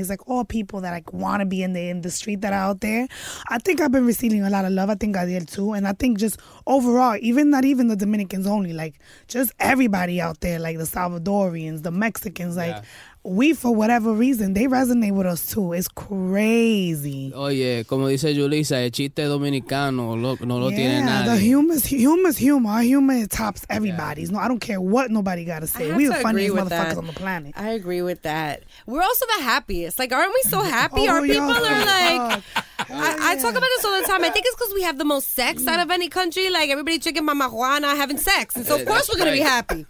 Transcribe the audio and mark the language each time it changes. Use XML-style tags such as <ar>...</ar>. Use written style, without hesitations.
<en>It's, like, all people that, like, want to be in the industry that are out there. I think I've been receiving a lot of love. I think Gadiel, too. And I think just overall, even not even the Dominicans only, like, just everybody out there, like, the Salvadorians, the Mexicans, like, we, for whatever reason, they resonate with us too. It's crazy.</en> <es>Oye, como dice Julissa, el chiste dominicano no lo tiene nadie.</es> <en>The humor's humor. Our humor tops everybody's. Yeah. No, I don't care what nobody got to say. We the funniest motherfuckers on the planet. I agree with that. We're also the happiest. Like, aren't we so happy? Our people are like, I talk about this all the time. I think it's because we have the most sex out of any country. Like, everybody drinking marijuana, having sex. And so, of course, we're going to be happy.</en>